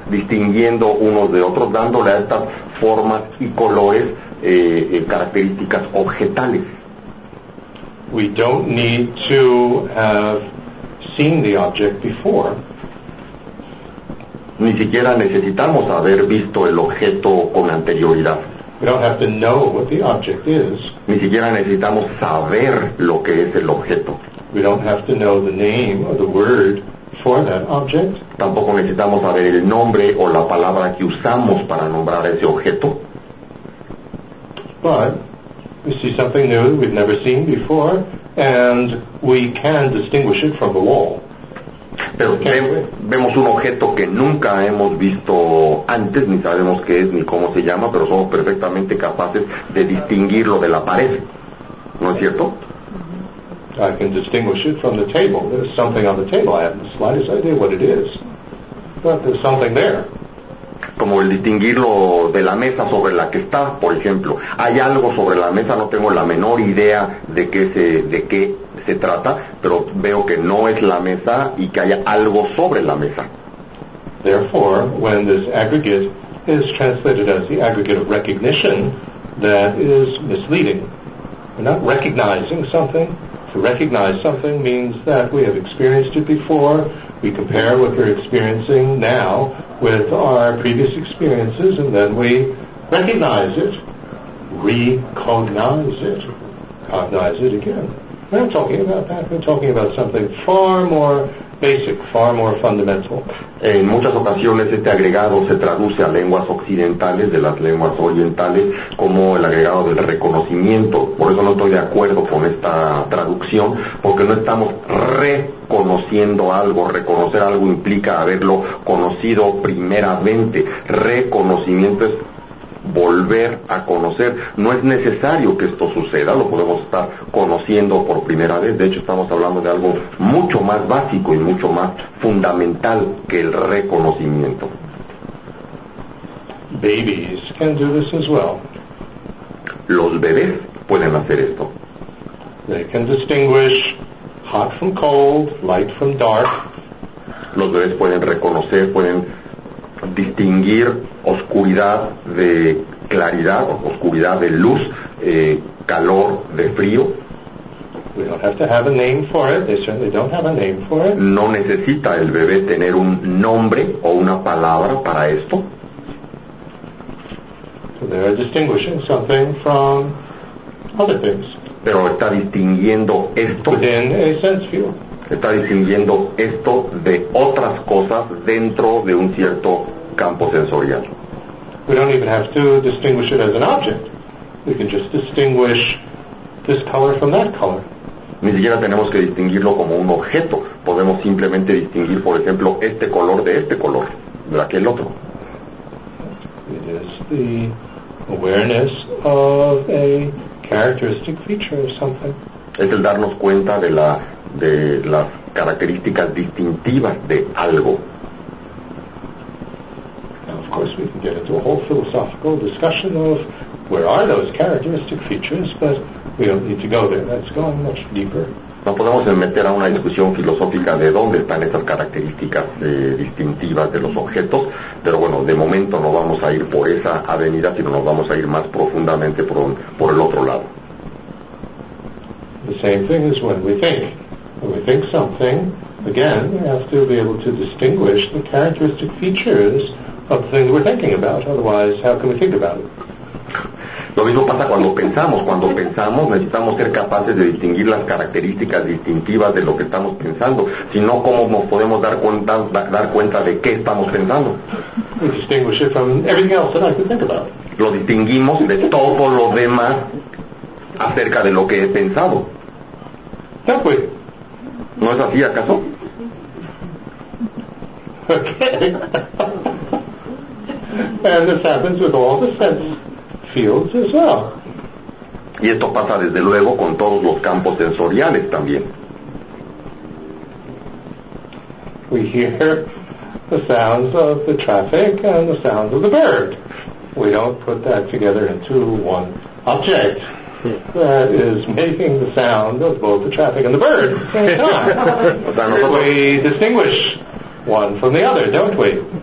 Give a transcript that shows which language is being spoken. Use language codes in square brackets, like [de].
[es] Distinguiendo unos de otros, dándole a estas formas y colores características objetales. [en] We don't need to have seen the object before. [es] Ni siquiera necesitamos haber visto el objeto con anterioridad. [en] We don't have to know what the object is. [es] Ni siquiera necesitamos saber lo que es el objeto. [en] We don't have to know the name or the word for that object. [es] Tampoco necesitamos saber el nombre o la palabra que usamos para nombrar ese objeto. [en] But we see something new that we've never seen before, and we can distinguish it from the wall. [es] Pero vemos un objeto que nunca hemos visto antes, ni sabemos qué es ni cómo se llama, pero somos perfectamente capaces de distinguirlo de la pared, ¿no es cierto? [en] I can distinguish it from the table. There's something on the table. I have the slightest idea what it is, but there's something there. [es] Como el distinguirlo de la mesa sobre la que está, por ejemplo. Hay algo sobre la mesa, no tengo la menor idea de qué se trata, pero veo que no es la mesa y que hay algo sobre la mesa. [en] Therefore, when this aggregate is translated as the aggregate of recognition, that is misleading. We're not recognizing something. To recognize something means that we have experienced it before. We compare what we're experiencing now with our previous experiences, and then we recognize it, recognize it, cognize it again. We're not talking about that. We're talking about something far more basic, far more fundamental. [es] En muchas ocasiones este agregado se traduce a lenguas occidentales, de las lenguas orientales, como el agregado del reconocimiento. Por eso no estoy de acuerdo con esta traducción, porque no estamos reconociendo algo. Reconocer algo implica haberlo conocido primeramente. Reconocimiento es volver a conocer. No es necesario que esto suceda, lo podemos estar conociendo por primera vez. De hecho, estamos hablando de algo mucho más básico y mucho más fundamental que el reconocimiento. [en] Babies can do this as well. [es] Los bebés pueden hacer esto. [en] They can distinguish hot from cold, light from dark. [es] Los bebés pueden reconocer, pueden distinguir oscuridad de claridad, oscuridad de luz, calor de frío. [en] We don't have to have a name for it. They certainly don't have a name for it. [es] No necesita el bebé tener un nombre o una palabra para esto. [en] So they are distinguishing something from other things. [es] Pero está distinguiendo esto. [en] Within a sense field. [es] Está distinguiendo esto de otras cosas dentro de un cierto campo sensorial. [en] We don't even have to distinguish it as an object. We can just distinguish this color from that color. [es] Ni siquiera tenemos que distinguirlo como un objeto. Podemos simplemente distinguir, por ejemplo, este color de este color, de aquel otro. [en] It is the awareness of a characteristic feature of something. [es] Es el darnos cuenta de las características distintivas de algo. [en] Now, of course, we can get into a whole philosophical discussion of where are those characteristic features, but we don't need to go there. That's going much deeper. [es] No podemos meter a una discusión filosófica de dónde están esas características distintivas de los objetos, pero bueno, de momento no vamos a ir por esa avenida, sino nos vamos a ir más profundamente por el otro lado. [en] The same thing is when we think. When we think something, again, we have to be able to distinguish the characteristic features of the thing that we're thinking about. Otherwise, how can we think about it? [es] Lo mismo pasa cuando pensamos. Cuando pensamos, necesitamos ser capaces de distinguir las características distintivas de lo que estamos pensando. Si no, ¿cómo nos podemos dar cuenta de qué estamos pensando? [en] We distinguish it from everything else that I can think about. [es] Lo distinguimos de todo lo demás acerca de lo que he pensado. [en] Don't we? [es] ¿No es así, acaso? [en] Okay. And this happens with all the sense fields as well. Y esto pasa, desde luego, con todos los campos sensoriales también. We hear the sounds of the traffic and the sounds of the bird. We don't put that together into one object. That is making the sound of both the traffic and the bird. We distinguish one from the other, don't we?